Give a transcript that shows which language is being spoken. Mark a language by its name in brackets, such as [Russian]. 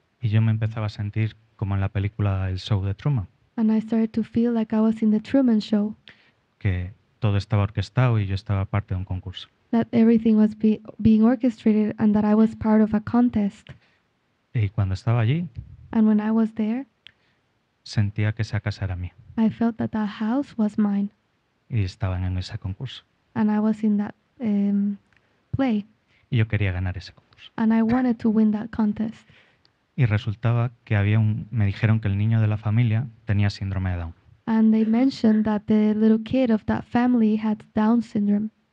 [Spanish] Y yo me empezaba a sentir como en la película El Show de Truman. [English] And I started to feel like I was in the Truman Show. [Spanish] Que todo estaba orquestado y yo estaba parte de un concurso. [English] That everything was being orchestrated and that I was part of a contest. [Spanish] Y cuando estaba allí. [English] And when I was there. [Spanish] Sentía que esa casa era mía. [English] I felt that that house was mine. [Spanish] Y estaba en ese concurso. [English] And I was in that play. [Spanish] Y yo quería ganar ese concurso. [English] And I wanted to win that contest. [Spanish] Y resultaba que me dijeron que el niño de la familia tenía síndrome de Down. [English] And they mentioned that the little kid of that family had Down syndrome.